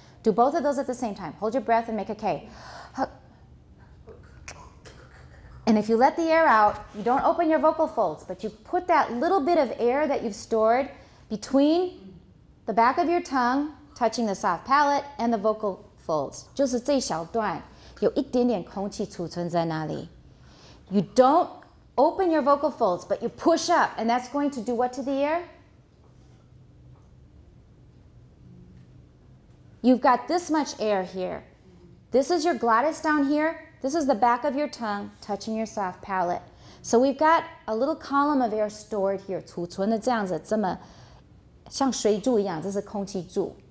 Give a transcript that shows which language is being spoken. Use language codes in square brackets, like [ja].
[en] Do both of those at the same time. Hold your breath and make a K. And if you let the air out, you don't open your vocal folds, but you put that little bit of air that you've stored between the back of your tongue touching the soft palate and the vocal folds. [zh] 就是这一小段有一点点空气储存在那里. [en] You don't open your vocal folds, but you push up, and that's going to do what to the air? You've got this much air here. This is your glottis down here. This is the back of your tongue touching your soft palate. So we've got a little column of air stored here. [zh] 储存的这样子，这么像水柱一样，这是空气柱。